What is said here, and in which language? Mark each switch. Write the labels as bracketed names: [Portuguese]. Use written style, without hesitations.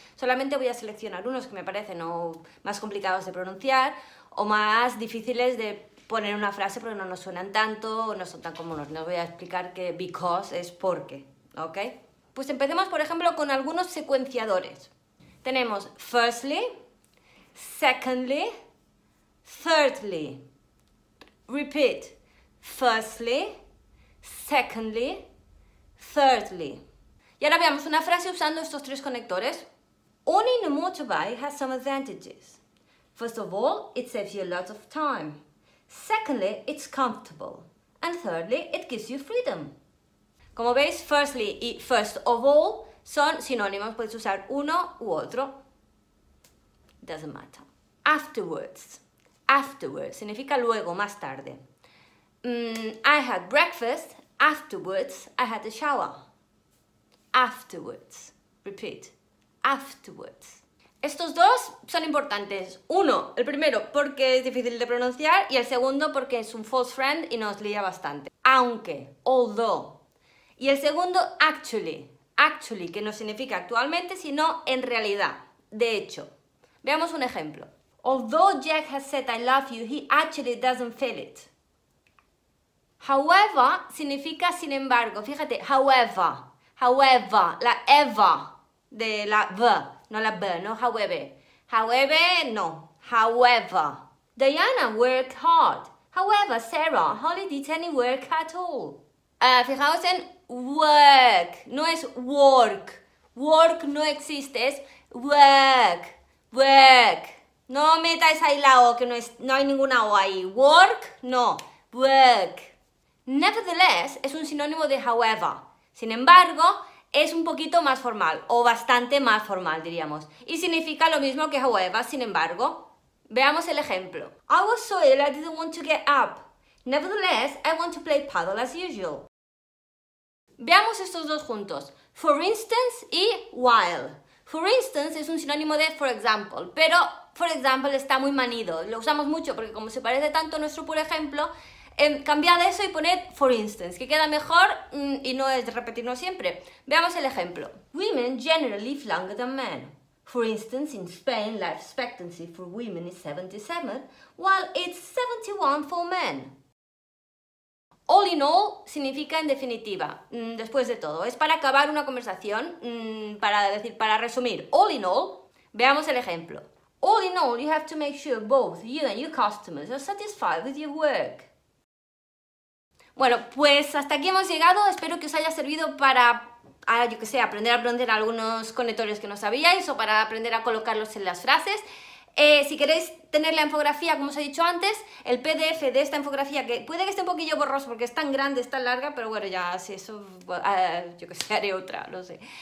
[Spanish] Solamente voy a seleccionar unos que me parecen o más complicados de pronunciar o más difíciles de poner una frase porque no nos suenan tanto o no son tan comunes. No os voy a explicar que because es porque, ¿ok? Pues empecemos, por ejemplo, con algunos secuenciadores. Tenemos [English] firstly, secondly, thirdly. Repeat. Firstly, secondly, thirdly. [Spanish] Y ahora veamos una frase usando estos tres conectores. [English] Owning a motorbike has some advantages. First of all, it saves you a lot of time. Secondly, it's comfortable. And thirdly, it gives you freedom. [Spanish] Como veis, firstly y first of all son sinónimos. Puedes usar uno u otro. [English] Doesn't matter. [Spanish] Afterwards. Afterwards significa luego, más tarde. [English] I had breakfast. Afterwards, I had a shower. Afterwards. Repeat. Afterwards. [Spanish] Estos dos son importantes. Uno, el primero, porque es difícil de pronunciar. Y el segundo, porque es un false friend y nos lía bastante. Aunque. Although. Y el segundo, actually. Actually, que no significa actualmente, sino en realidad. De hecho. Veamos un ejemplo. [English] Although Jack has said I love you, he actually doesn't feel it. [Spanish] However significa sin embargo, fíjate, however, however, la eva de la v, no la b, no however, however, no, however. [English] Diana worked hard, however, Sarah, Holly did any work at all. [Spanish] Fijaos en work, no es work, work no existe, es work, work. No metáis ahí la o, que no, es, no hay ninguna o ahí, work, no, work. Nevertheless es un sinónimo de however. Sin embargo, es un poquito más formal o bastante más formal, diríamos. Y significa lo mismo que however, sin embargo. Veamos el ejemplo. [English] I was so ill I didn't want to get up. Nevertheless, I want to play paddle as usual. [Spanish] Veamos estos dos juntos. For instance y while. For instance es un sinónimo de for example, pero for example está muy manido. Lo usamos mucho porque como se parece tanto a nuestro por ejemplo, cambiad eso y poned for instance, que queda mejor y no es repetirlo siempre. Veamos el ejemplo. [English] Women generally live longer than men. For instance, in Spain, life expectancy for women is 77, while it's 71 for men. [Spanish] All in all significa en definitiva, después de todo. Es para acabar una conversación, para decir, para resumir. All in all, veamos el ejemplo. [English] All in all, you have to make sure both you and your customers are satisfied with your work. [Spanish] Bueno, pues hasta aquí hemos llegado. Espero que os haya servido para, yo que sé, aprender a aprender algunos conectores que no sabíais o para aprender a colocarlos en las frases. Si queréis tener la infografía, como os he dicho antes, el PDF de esta infografía, que puede que esté un poquillo borroso porque es tan grande, es tan larga, pero bueno, ya, si eso, yo que sé, haré otra, no sé.